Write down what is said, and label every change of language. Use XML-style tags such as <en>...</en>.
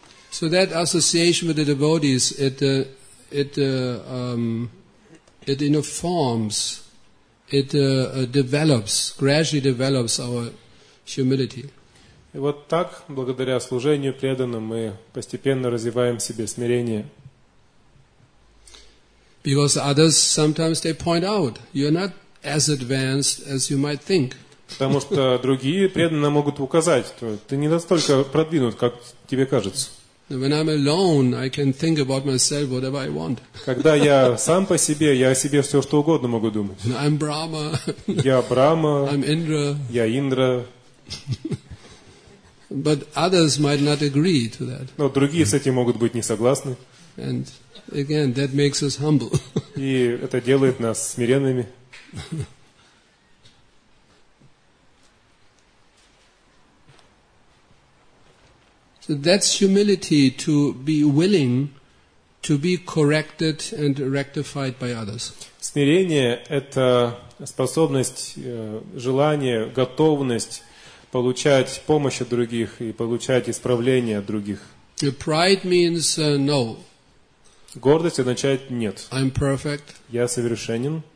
<en>So that association with the devotees, it develops our humility.</en> <ru>И вот так, благодаря служению преданным, мы постепенно развиваем в себе смирение.</ru> <en>Because others sometimes they point out you're not as advanced as you might think.</en> <ru>Потому что другие преданные могут указать, ты не настолько продвинут, как тебе кажется.</ru> <en>When I'm alone, I can think about myself whatever I want.</en> <ru>Когда я сам по себе, я о себе все что угодно могу думать.</ru> <en>I'm Brahma.</en> <ru>Я Брама.</ru> <en>I'm Indra.</en> <ru>Я Индра.</ru> <en>But others might not agree to that.</en> <ru>Но другие с этим могут быть не согласны.</ru> <en>And again, that makes us humble.</en> <ru>И это делает нас смиренными.</ru> <en>That's humility, to be willing to be corrected and rectified by others.</en> <ru>Смирение — это способность, желание, готовность получать помощь от других и получать исправление от других.</ru> <en>Pride means no.</en> <ru>Гордость означает нет.</ru> <en>I'm perfect.</en> <ru>Я совершенен.</ru>